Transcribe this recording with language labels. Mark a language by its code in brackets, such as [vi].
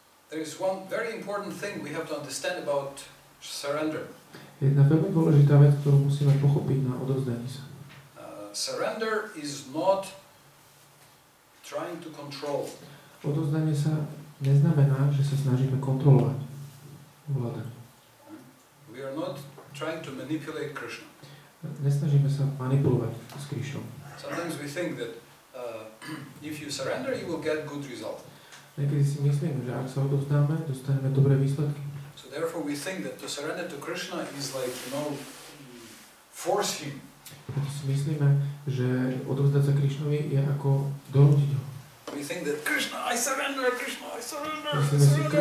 [en] There is one very important thing we have to understand about surrender. [sk] Jedna veľmi dôležitá vec, ktorú musíme pochopiť na odovzdaní sa. [en] Surrender is not trying to control. [sk] Odovzdanie sa neznamená, že sa snažíme kontrolovať vládať. [en] We are not trying to manipulate Krishna. [sk] Nesnažíme sa manipulovať s Krišnou. [en] Sometimes we think that if you surrender, you will get good result. [sk] Niekedy si myslím, že ak sa odovzdáme, dostaneme dobré výsledky. [en] So therefore we think that to surrender to Krishna is like, you know, force him. [sk] Preto si myslíme, že odovzdať sa Krišnovi je ako donútiť ho. [en] We think that Krishna, I surrender, Krishna, I surrender, surrender,